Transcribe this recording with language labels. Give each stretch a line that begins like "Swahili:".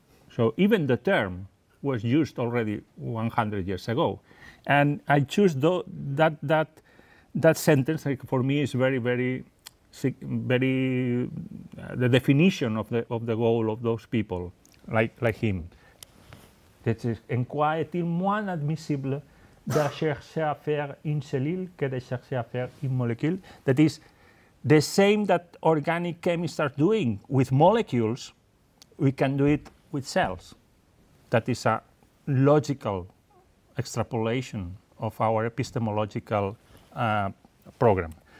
English: So even the term was used already 100 years ago. And I choose that sentence, like, for me is very, very the definition of the goal of those people, like him.
French: C'est en quoi est-il moins admissible de chercher à faire une cellule que de chercher à faire une molécule?
English: That is the same that organic chemists are doing with molecules, we can do it with cells. That is a logical extrapolation of our epistemological program.